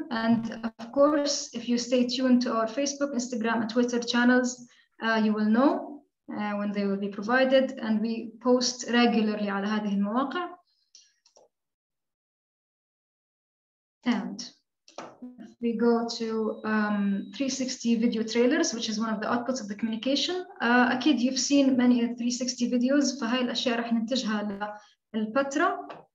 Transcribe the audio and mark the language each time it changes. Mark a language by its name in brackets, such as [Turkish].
[English] And of course, if you stay tuned to our Facebook, Instagram, and Twitter channels, you will know when they will be provided. And we post regularly [Arabic] على هذه المواقع. [English] And we go to 360 video trailers, which is one of the outputs of the communication. أكيد you've seen many 360 videos. [Arabic] فهاي الأشياء رح ننتجها ل البترا.